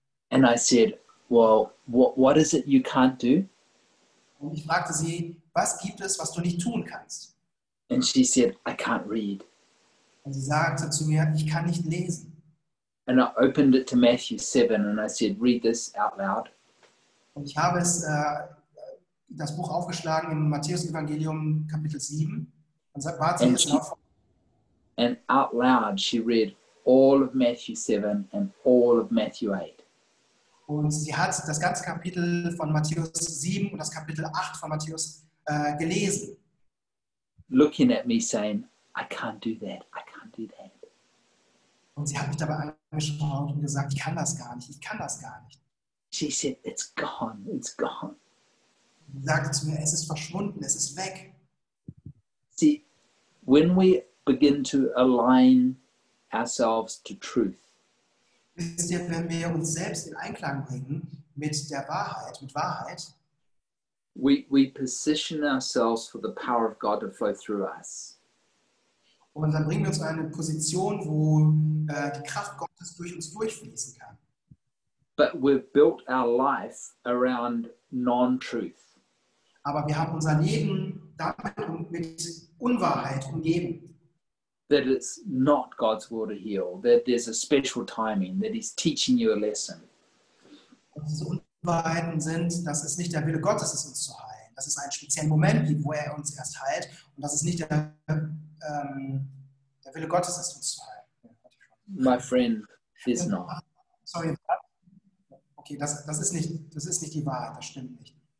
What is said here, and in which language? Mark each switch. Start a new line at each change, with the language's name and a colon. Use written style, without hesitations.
English: And I said, well, what is it you can't do?
German: Und ich fragte sie, was gibt es, was du nicht tun kannst?
English: And she said, I can't read.
German: Und sie sagte zu mir, ich kann nicht lesen.
English: And I opened it to Matthew 7 and I said, read this out loud.
German: Und ich habe das Buch aufgeschlagen im Matthäus-Evangelium, Kapitel 7. Und sagt, warte, jetzt genau vor.
English: And out loud she read all of Matthew 7 and all of Matthew 8.
German: Und sie hat das ganze Kapitel von Matthäus 7 und das Kapitel 8 von Matthäus gelesen.
English: Looking at me saying, I can't do that, I can't do that.
German: Und sie hat mich dabei angeschaut und gesagt, ich kann das gar nicht, ich kann das gar nicht.
English: She said, it's gone, it's gone.
German: Sie sagte zu mir, es ist verschwunden, es ist weg.
English: See, when we begin to align ourselves to truth,
German: wisst ihr, wenn wir uns selbst in Einklang bringen mit der Wahrheit, mit Wahrheit,
English: we position ourselves for the power of God to flow through us.
German: Und dann bringen wir uns in eine Position, wo die Kraft Gottes durch uns durchfließen kann.
English: But we've built our life around non-truth.
German: Aber wir haben unser Leben damit mit Unwahrheit umgeben.
English: That it's not God's will to heal, that there's a special timing, that he's teaching you a lesson.
German: Diese Unwahrheiten sind, dass es nicht der Wille Gottes ist, uns zu heilen, dass es einen speziellen Moment gibt, wo er uns erst heilt, und dass es nicht der Wille Gottes ist, uns zu heilen.
English: My friend, there's not.
German: Sorry, okay, das ist nicht die Wahrheit, das stimmt nicht.